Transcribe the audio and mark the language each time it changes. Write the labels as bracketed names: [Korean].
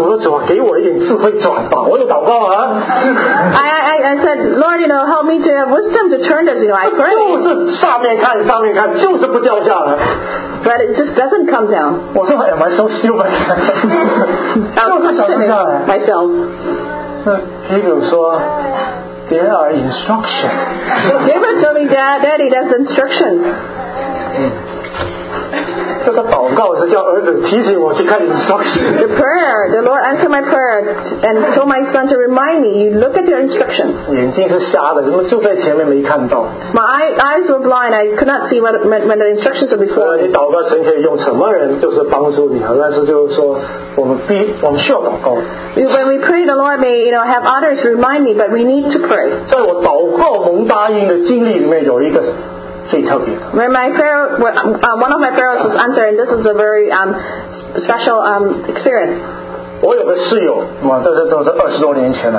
[Chinese] 我说主啊,给我一点智慧转吧,我有祷告啊。I [English] said, Lord, you know, help me to have wisdom to turn this, you know, I pray. [Chinese] 就是上面看,上面看,就是不掉下来。 [English] But it just doesn't come down. [Chinese] 我说, [English] am I so stupid? [Chinese] 就是想不下来。 [English] Myself. [Chinese] 那Gabriel说, [English] there are instructions. Gabriel told me, Dad, Daddy, that's instructions. [Chinese] 这个祷告是叫儿子提醒我去看instructions。 [English] The prayer, the Lord answered my prayer and told my son to remind me, you look at your instructions. [Chinese] 眼睛是瞎的,怎么就在前面没看到? [English] My eyes were blind, I could not see when the instructions were before. [Chinese] 你祷告神可以用什么人就是帮助你,但是就是说,我们需要祷告。 [English] When we pray, the Lord may, you know, have others remind me, but we need to pray. [Chinese] 在我祷告蒙答应的经历里面有一个 [English] when my prayer, one of my prayers was answered, and this is a very special experience. [Chinese] 我有个室友, 这是20多年前的,